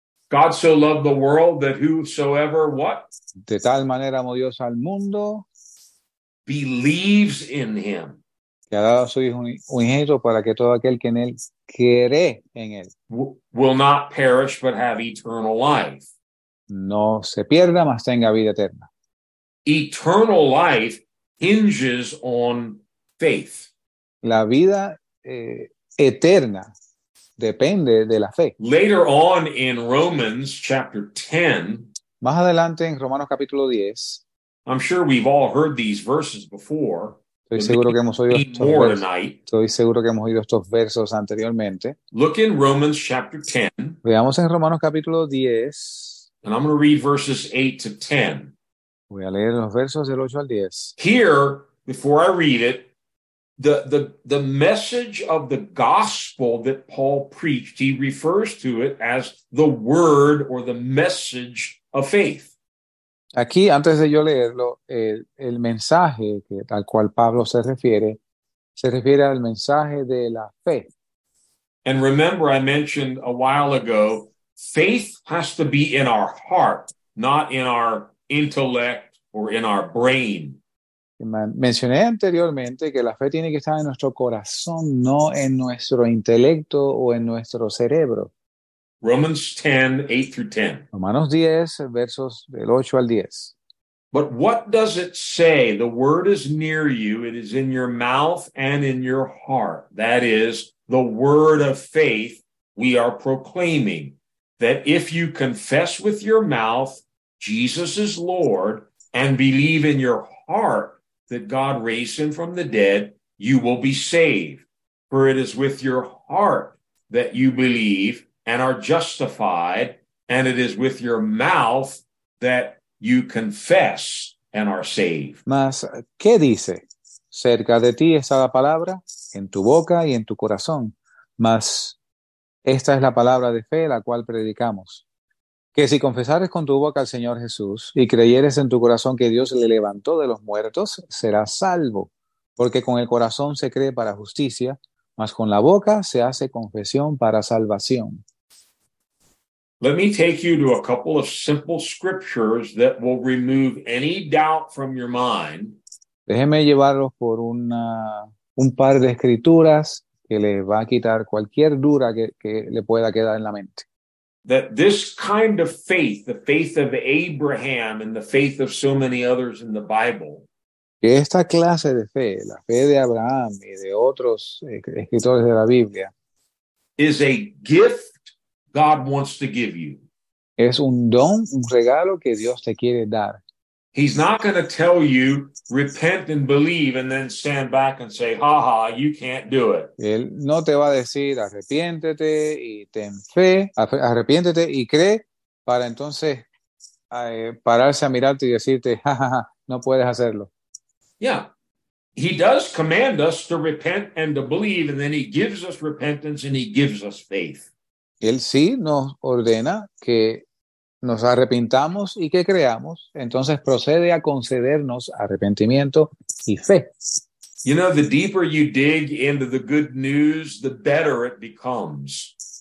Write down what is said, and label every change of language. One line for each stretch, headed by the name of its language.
English: God so loved the world that whosoever what?
Spanish: De tal manera amó Dios al mundo.
English: Believes in him.
Spanish: Que ha dado a su hijo unigénito para que todo aquel que en él cree en él.
English: Will not perish but have eternal life.
Spanish: No se pierda, mas tenga vida eterna.
English: Eternal life hinges on faith.
Spanish: La vida eterna depende de la fe.
English: Later on in Romans chapter 10.
Spanish: Más adelante en Romanos capítulo 10.
English: I'm sure we've all heard these verses before.
Spanish: Estoy seguro que hemos oído estos versos. Estoy seguro que hemos oído estos versos anteriormente.
English: Look in Romans chapter 10.
Spanish: Veamos en Romanos capítulo 10.
English: And I'm going to read verses 8 to 10.
Spanish: Voy a leer los versos del 8 al 10.
English: Here, before I read it, the message of the gospel that Paul preached, he refers to it as the word or the message of faith.
Spanish: Aquí, antes de yo leerlo, el mensaje que, al cual Pablo se refiere al mensaje de la fe.
English: And remember, I mentioned a while ago, faith has to be in our heart, not in our intellect or in our brain.
Spanish: Mencioné anteriormente que la fe tiene que estar en nuestro corazón, no en nuestro intelecto o en nuestro cerebro.
English: Romans 10, 8 through 10.
Spanish: Romanos 10, versos del 8 al 10.
English: But what does it say? The word is near you. It is in your mouth and in your heart. That is the word of faith we are proclaiming. That if you confess with your mouth Jesus is Lord and believe in your heart that God raised him from the dead, you will be saved. For it is with your heart that you believe and are justified, and it is with your mouth that you confess and are saved.
Spanish: Mas, ¿qué dice? Cerca de ti está la palabra, en tu boca y en tu corazón. Mas, esta es la palabra de fe la cual predicamos. Que si confesares con tu boca al Señor Jesús, y creyeres en tu corazón que Dios le levantó de los muertos, serás salvo. Porque con el corazón se cree para justicia, mas con la boca se hace confesión para salvación.
English: Let me take you to a couple of simple scriptures that will remove any doubt from your mind.
Spanish: Déjeme llevarlos por un par de escrituras que les va a quitar cualquier duda que le pueda quedar en la mente.
English: That this kind of faith, the faith of Abraham and the faith of so many others in the Bible,
Spanish: que esta clase de fe, la fe de Abraham y de otros escritores de la Biblia,
English: is a gift God wants to give you.
Spanish: Es un don, un regalo que Dios te quiere dar.
English: He's not going to tell you, repent and believe, and then stand back and say, ha ha, you can't do it.
Spanish: Él no te va a decir, arrepiéntete y ten fe, arrepiéntete y cree, para entonces pararse a mirarte y decirte, ja ja ja, no puedes hacerlo.
English: Yeah, he does command us to repent and to believe, and then he gives us repentance and he gives us faith.
Spanish: Él sí nos ordena que nos arrepintamos y que creamos, entonces procede a concedernos arrepentimiento y fe.
English: You know, the deeper you dig into the good news, the better it becomes.